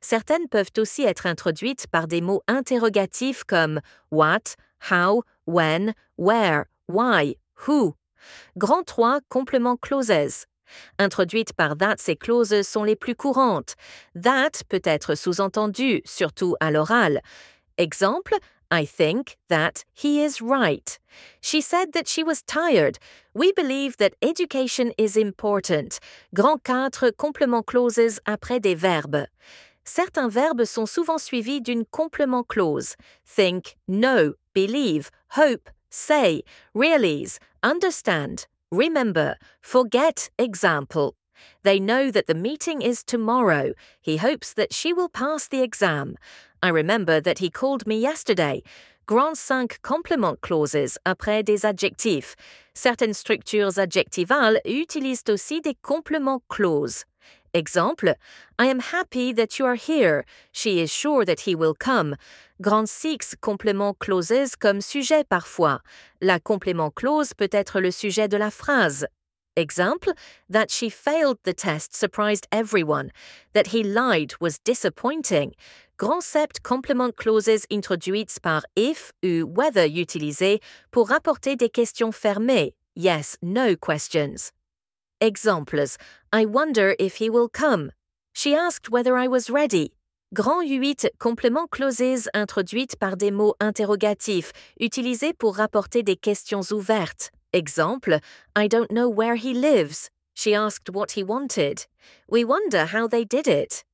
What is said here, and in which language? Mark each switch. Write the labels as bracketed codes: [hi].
[fr] Certaines peuvent aussi être introduites par des mots interrogatifs comme « what », « how », « when », « where », « why », « who ». Grand 3, complément clauses. Introduites par « that » et « clauses » sont les plus courantes. « That » peut être sous-entendu, surtout à l'oral. [en] Exemple, « I think that he is right ».« She said that she was tired ».« We believe that education is important ». [fr] Grand 4, complément clauses après des verbes. Certains verbes sont souvent suivis d'une complément clause. [en] « Think »,« know », »,« believe », »,« hope », »,« say », »,« realize », »,« understand », »,« remember », »,« forget », example. « They know that the meeting is tomorrow. He hopes that she will pass the exam. I remember that he called me yesterday. » [fr] Grand 5 complément clauses après des adjectifs. Certaines structures adjectivales utilisent aussi des compléments clauses. [en] Exemple, I am happy that you are here. She is sure that he will come. [fr] Grand 6 complément clauses comme sujet parfois. La complément clause peut être le sujet de la phrase. [en] Exemple, that she failed the test surprised everyone. That he lied was disappointing. [fr] Grand 7 complément clauses introduites par if ou whether utilisées pour rapporter des questions fermées. [en] Yes, no questions. Examples. I wonder if he will come. She asked whether I was ready. [fr] Grand 8, complément clauses introduites par des mots interrogatifs, utilisés pour rapporter des questions ouvertes. Exemple. [en] I don't know where he lives. She asked what he wanted. We wonder how they did it.